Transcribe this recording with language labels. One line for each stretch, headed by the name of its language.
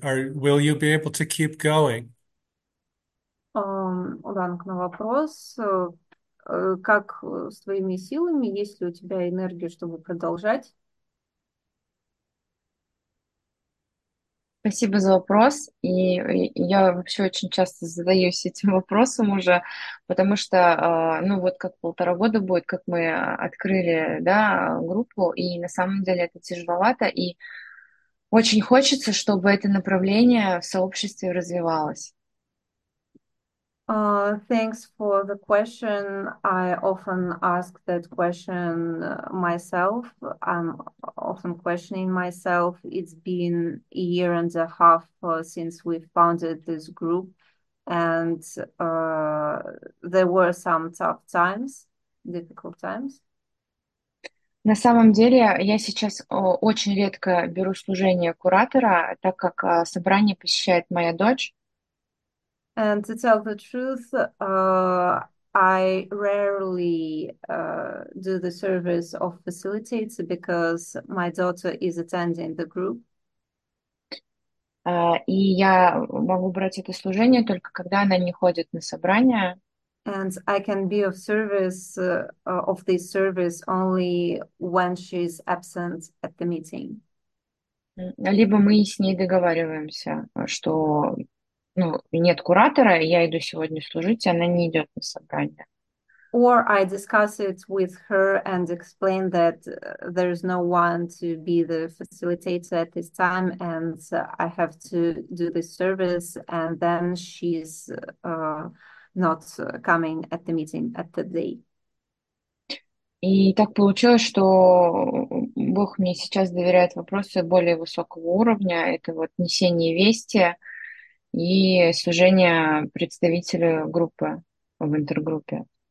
English: Or will you be able to keep going?
Russian: Данг, на вопрос, как с твоими силами, есть ли у тебя энергия, чтобы продолжать? Спасибо за вопрос. И я вообще очень часто задаюсь этим вопросом уже, потому что, ну вот как 1,5 года будет, как мы открыли, да, группу, и на самом деле это тяжеловато, и очень хочется, чтобы это направление в сообществе развивалось.
English: Thanks for the question. I often ask that question myself. I'm often questioning myself. It's been a year and a half since we founded this group, and there were some tough times, difficult times.
Russian: На самом деле, я сейчас очень редко беру служение куратора, так как собрание посещает моя дочь.
English: And to tell the truth, I rarely do the service of facilitator because my daughter is attending the group.
Russian: И я могу брать это служение только когда она не ходит на собрание.
English: And I can be of service of this service only when she's absent at the meeting.
Russian: Либо мы с ней договариваемся, что, ну, нет куратора, я иду сегодня служить, она не идет на собрание.
English: Or I discuss it with her and explain that there's no one to be the facilitator at this time, and I have to do this service, and then she's not coming at the meeting at the day.
Russian: И так получилось, что Бог мне сейчас доверяет вопросы более высокого уровня. Это вот несение вести и служение представителю группы в интергруппе.